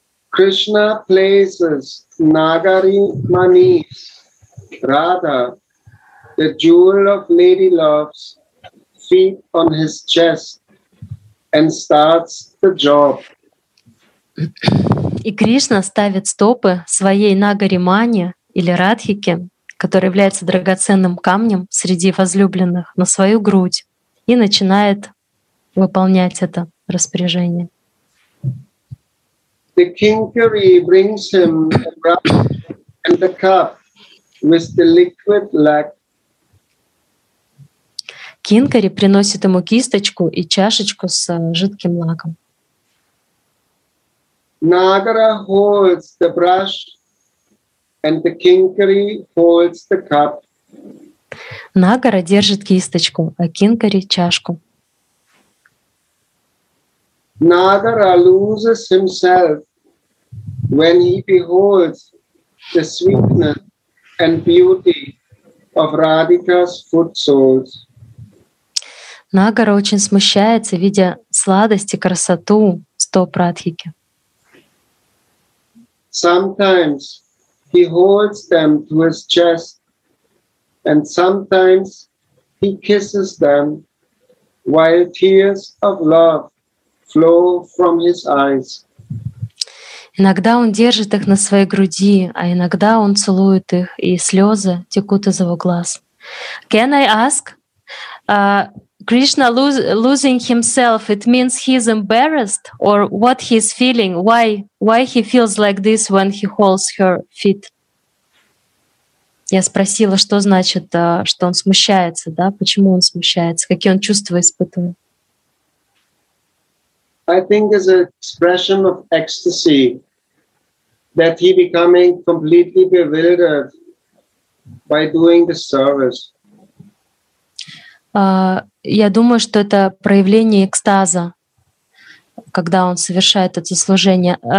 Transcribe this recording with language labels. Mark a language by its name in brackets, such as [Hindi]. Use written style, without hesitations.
[English] Krishna places Nagari Manis, Radha, the jewel of lady love's feet on his chest and starts the job. [Russian] И Кришна ставит стопы своей Нагари Мани или Радхики, которая является драгоценным камнем среди возлюбленных, на свою грудь и начинает выполнять это распоряжение. [English] The kinkari brings him the brush and the cup with the liquid lac. [Russian] Кинкари приносит ему кисточку и чашечку с жидким лаком. [English] Nagara holds the brush and the kinkari holds the cup. [Russian] Nagara держит кисточку, а кинкари чашку. [English] Nagara loses himself when he beholds the sweetness and beauty of Radhika's foot soles. [Russian] Нагара очень смущается, видя сладость и красоту стоп Радхики. [English] Sometimes he holds them to his chest, and sometimes he kisses them, while tears of love flow from his eyes. [Russian] Иногда он держит их на своей груди, а иногда он целует их, и слезы текут из его глаз. [English] Can I ask? Krishna losing himself, it means he's embarrassed or what he's feeling? Why he feels like this when he holds her feet? [Russian] Я спросила, что значит, что он смущается, да? Почему он смущается? Какие он чувства испытывает? [English] I think it's an expression of ecstasy that he becoming completely bewildered by doing the service. [Russian] Я думаю, что это проявление экстаза, когда он совершает это служение.